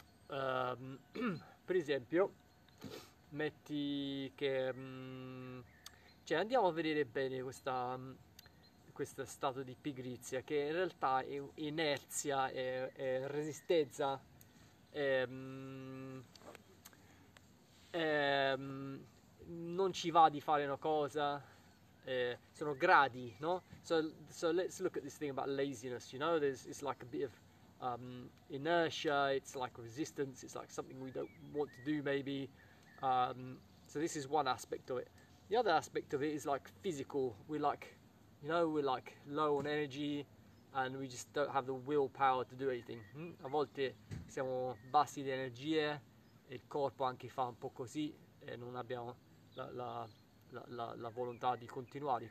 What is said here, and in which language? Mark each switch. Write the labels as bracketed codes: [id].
[it] Per esempio, metti che cioè andiamo a vedere bene questo stato di pigrizia, che in realtà è inerzia, è resistenza, non ci va di fare una cosa, sono gradi, no? [en] So let's look at this thing about laziness, you know, it's like a bit of inertia, it's like resistance, it's like something we don't want to do maybe. So this is one aspect of it. The other aspect of it is like physical. We're like, you know, we're like low on energy and we just don't have the willpower to do anything. [it] A volte siamo bassi di energie, il corpo anche fa un po' così e non abbiamo la volontà di continuare.